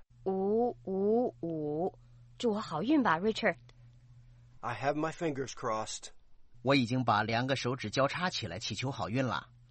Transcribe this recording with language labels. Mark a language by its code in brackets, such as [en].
[zh] 555祝我好运吧 ，Richard。 [en] I have my fingers crossed. [zh] 我已经把两个手指交叉起来，祈求好运了。